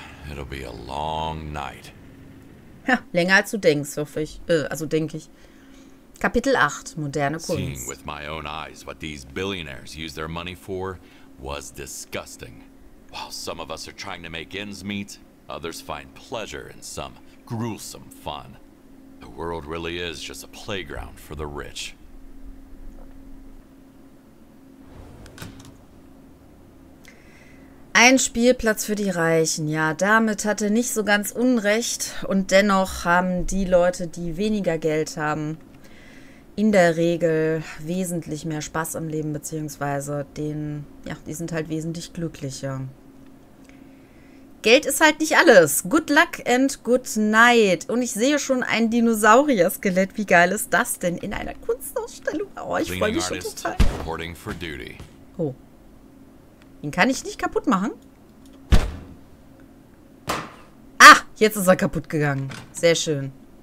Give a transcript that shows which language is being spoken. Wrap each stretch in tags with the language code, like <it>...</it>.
<en>It'll be a long night.</en> <de>Ja, länger als du denkst, hoffe ich. Also denke ich. Kapitel 8, moderne Kunst.</de> <en>Seeing with my own eyes what these billionaires use their money for was disgusting. While some of us are trying to make ends meet, others find pleasure in some gruesome fun. The world really is just a playground for the rich.</en> <de>Ein Spielplatz für die Reichen, ja, damit hat er nicht so ganz Unrecht und dennoch haben die Leute, die weniger Geld haben, in der Regel wesentlich mehr Spaß am Leben, beziehungsweise die sind halt wesentlich glücklicher. Geld ist halt nicht alles.</de> <en>Good luck and good night.</en> <de>Und ich sehe schon ein Dinosaurier-Skelett. Wie geil ist das denn in einer Kunstausstellung? Oh, ich freue mich schon total.</de> <en>Reporting for duty. Oh.</en> <de>Den kann ich nicht kaputt machen. Ah, jetzt ist er kaputt gegangen. Sehr schön.</de>